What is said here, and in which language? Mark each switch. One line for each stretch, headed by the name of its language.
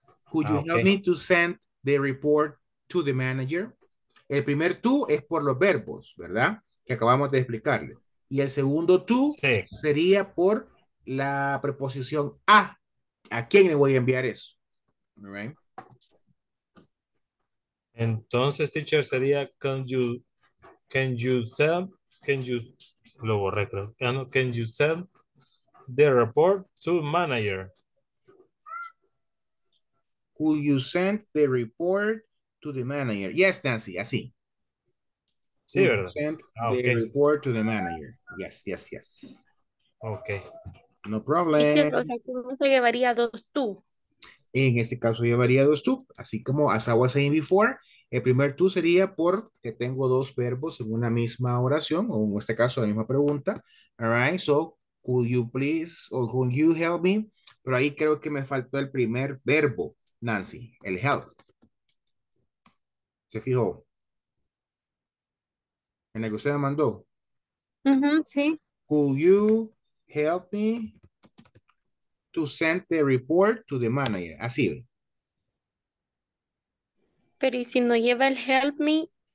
English: Could you help me to send the report to the manager?
Spanish: El primer to es por los verbos, ¿verdad? Que acabamos de explicarle. Y el segundo to sería por la preposición a. ¿A quién le voy a enviar eso?
English: All right. Entonces, teacher, sería can you send the report to manager? Could you send the report to the manager? Yes,
Spanish: Nancy, así. Sí, ¿verdad?
English: Send the report to the manager. Yes, yes, yes. Okay. No problem.
Spanish: O sea, ¿cómo se llevaría 2 tú? En este caso llevaría 2 tú. Así como
English: as I was saying before,
Spanish: el primer tú sería porque tengo 2 verbos en una misma oración, o en este caso la misma pregunta.
English: All right, so could you please, or could you help me?
Spanish: Pero ahí creo que me faltó el primer verbo. Nancy, el help. ¿Se fijó? ¿En el que usted me mandó? Uh-huh, sí.
English: Could you help me to send the report to the manager?
Spanish: Así. Pero ¿y si no lleva el help me?